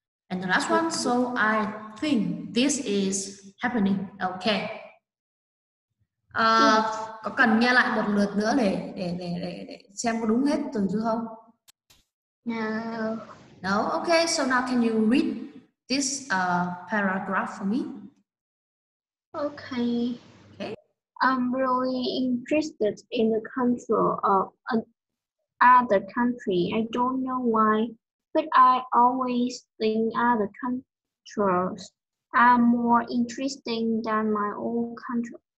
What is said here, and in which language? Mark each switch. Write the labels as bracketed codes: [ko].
[en] And the last one, so I think this is happening. Okay. [vi] Có cần nghe lại một lượt nữa để xem có đúng hết từ chưa không? [en] No. Okay, so now can you read this paragraph for me? Okay. Okay. I'm really interested in the culture of other country. I don't know why, but I always think other countries are more interesting than my own country.